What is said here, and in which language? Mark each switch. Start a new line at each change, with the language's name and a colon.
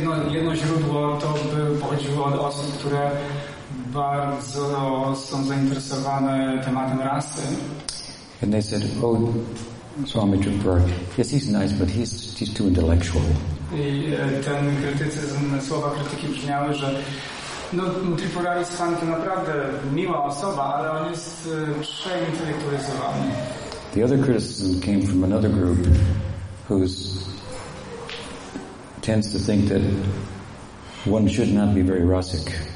Polish: Jedno źródło to pochodziło od osób, które bardzo są zainteresowane tematem rasy.
English: And they said, "Oh, Swami Jupiter, yes, he's nice, but he's too intellectual."
Polish: Ten krytycyzm, słowa krytyki brzmiały, że Tripurari Swan to naprawdę miła osoba, ale on jest przeintelektualizowany.
English: The other criticism came from another group who tends to think that one should not be very rustic.